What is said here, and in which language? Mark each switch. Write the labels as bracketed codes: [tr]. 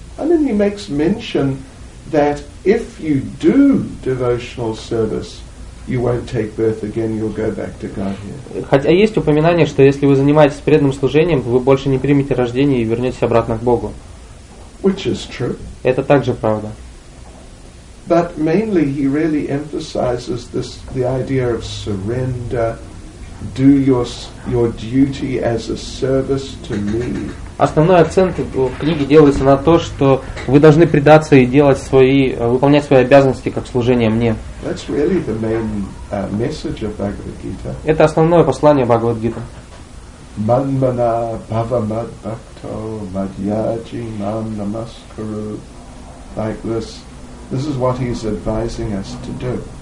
[en] And then he makes mention that if you do devotional service, you won't take birth again, you'll go back to Godhead. [ru] Хотя есть упоминание, что если вы занимаетесь преданным служением, вы больше не примете рождение и вернетесь обратно к Богу. [en] Which is true. [ru] Это также правда. [en] But mainly he really emphasizes this, the idea of surrender, do your duty as a service to me. [ru] Основной акцент в книге делается на то, что вы должны предаться и делать свои, выполнять свои обязанности как служение мне. [en] That's really the main message of Bhagavad Gita. [ru] Это основное послание Бхагавад Гита. [sa] Манмана бхава мад бхакто мадьяджи мам намаскару. [en] Like this. This is what he's advising us to do.